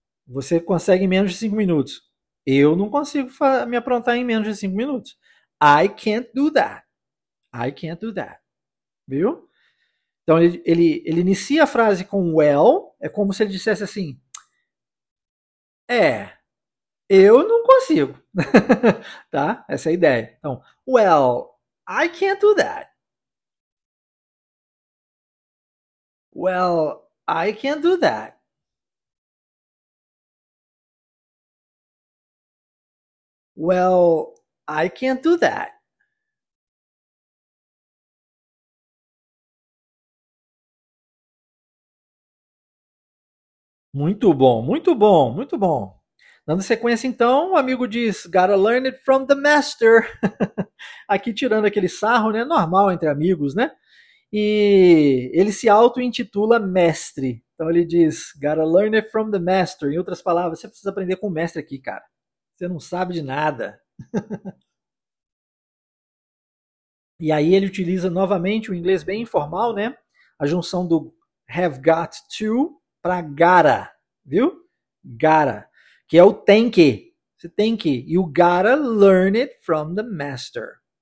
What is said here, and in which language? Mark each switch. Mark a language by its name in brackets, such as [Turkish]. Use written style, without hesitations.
[Portuguese] Você consegue em menos de 5 minutos. Eu não consigo me aprontar em menos de 5 minutos. [English] I can't do that. I can't do that. [Portuguese] Viu? Então ele inicia a frase com well, é como se ele dissesse assim: é, Eu não consigo. Tá? Essa é a ideia. Então, [English] well, I can't do that. Well, I can't do that. Well, I can't do that. [Portuguese] Muito bom, muito bom, muito bom. Dando sequência, então, o amigo diz: [English] Gotta learn it from the master. [Portuguese] Aqui tirando aquele sarro, né? Normal entre amigos, né? E ele se auto-intitula mestre. Então ele diz: [English] Gotta learn it from the master. [Portuguese] Em outras palavras, você precisa aprender com o mestre aqui, cara. Você não sabe de nada. E aí ele utiliza novamente o inglês bem informal, né? A junção do have got to para gotta, viu? Gotta. Que é o tem que. Você tem que. [English] You gotta learn it from the master.